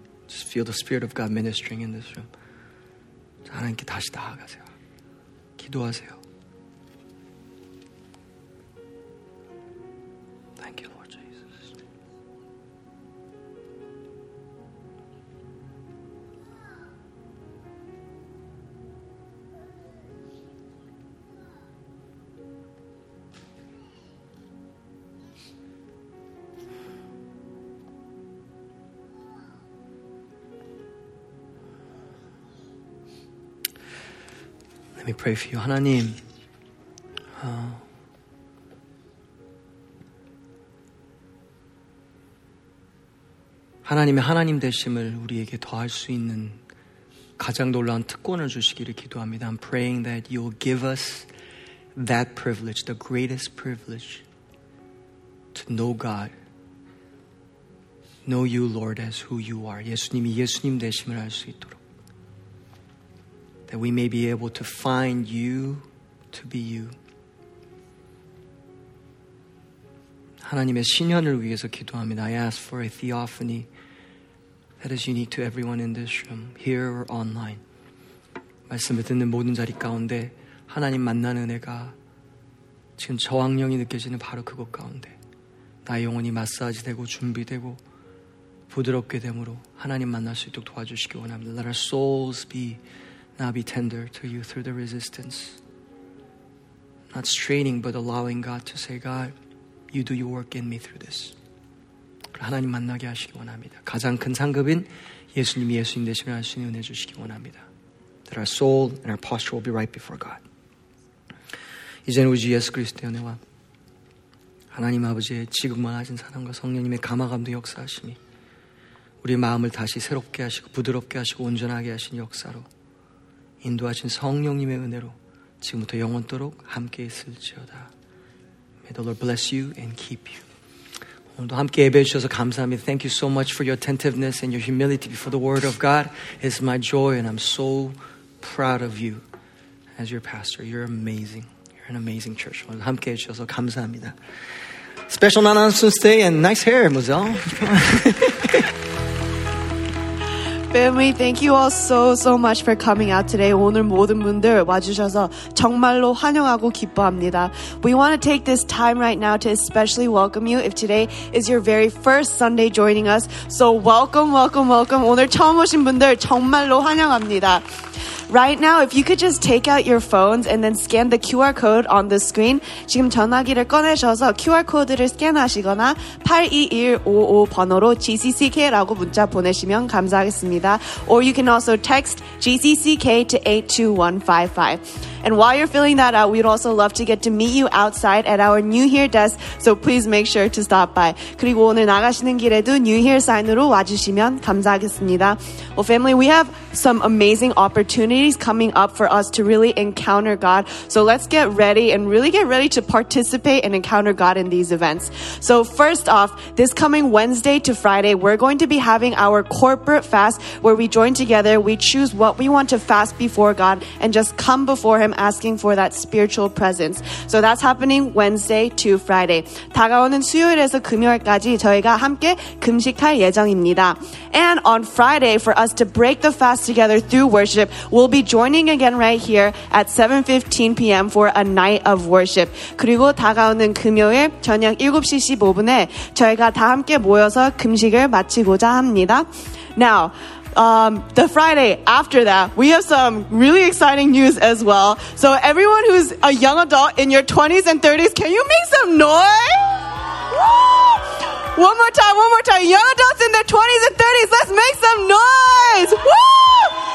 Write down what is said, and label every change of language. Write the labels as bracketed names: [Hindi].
[English] Just feel the Spirit of God ministering in this room. [Korean] 하나님께 다시 나아가세요. 기도하세요. [English] Thank you, Lord Jesus. [Korean] 하나님, 하나님의 하나님 되심을 우리에게 더할 수 있는 가장 놀라운 특권을 주시기를 기도합니다. [English] I'm praying that you'll give us that privilege, the greatest privilege to know God. Know you, Lord, as who you are. [Korean] 예수님이 예수님 되심을 알 수 있도록. [English] That we may be able to find you to be you. [Korean] 하나님의 신현을 위해서 기도합니다. [English] I ask for a theophany that is unique to everyone in this room, here or online. [Korean] 말씀을 듣는 모든 자리 가운데 하나님 만나는 은혜가 지금 저항력이 느껴지는 바로 그곳 가운데 나의 영혼이 마사지 되고 준비되고 부드럽게 됨으로 하나님 만날 수 있도록 도와주시기 원합니다. [English] Let our souls be Now be tender to you through the resistance. Not straining, but allowing God to say, God, you do your work in me through this. [Korean] 하나님 만나게 하시기 원합니다. 가장 큰 상급인 예수님이 예수님 되시면 할 수 있는 은혜 주시기 원합니다. [English] That our soul and our posture will be right before God. [Korean] 이제는 우리 예수 그리스도의 은혜와 하나님 아버지의 지금만 하신 사랑과 성령님의 감화감도 역사하심이 우리 마음을 다시 새롭게 하시고 부드럽게 하시고 온전하게 하신 역사로 인도하신 성령님의 은혜로 지금부터 영원토록 함께 있을지어다. [English] May the Lord bless you and keep you. [Korean] 오늘도 함께 예배해 주셔서 감사합니다. [English] Thank you so much for your attentiveness and your humility before the word of God. It's my joy and I'm so proud of you as your pastor. You're amazing. You're an amazing church. [Korean] 오늘 함께 해 주셔서 감사합니다. [English] Special announcements day and nice hair, Mazel. Family, thank you all so, so much for coming out today. [Korean] 오늘 모든 분들 와주셔서 정말로 환영하고 기뻐합니다. [English] We want to take this time right now to especially welcome you if today is your very first Sunday joining us. So welcome, welcome, welcome. [Korean] 오늘 처음 오신 분들 정말로 환영합니다. [English] Right now, if you could just take out your phones and then scan the QR code on the screen. [Korean] 지금 전화기를 꺼내셔서 QR 코드를 스캔하시거나 82155 번호로 GCCK라고 문자 보내시면 감사하겠습니다. [English] Or you can also text GCCK to 82155. And while you're filling that out, we'd also love to get to meet you outside at our New Here desk. So please make sure to stop by. [Korean] 그리고 오늘 나가시는 길에도 New Here sign으로 와주시면 감사하겠습니다. [English] Well, family, we have some amazing opportunities coming up for us to really encounter God. So let's get ready and really get ready to participate and encounter God in these events. So first off, this coming Wednesday to Friday, we're going to be having our corporate fast where we join together. We choose what we want to fast before God and just come before Him asking for that spiritual presence. So that's happening Wednesday to Friday. [Korean] 다가오는 수요일에서 금요일까지 저희가 함께 금식할 예정입니다. [English] And on Friday, for us to break the fast together through worship, we'll be joining again right here at 7:15 p.m. for a night of worship. [Korean] 그리고 다가오는 금요일 저녁 7시 15분에 저희가 다 함께 모여서 금식을 마치고자 합니다. [English] Now, the Friday after that, we have some really exciting news as well. So everyone who's a young adult in your 20s and 30s, can you make some noise? Woo! One more time. Young adults in their 20s and 30s, let's make some noise! Woo!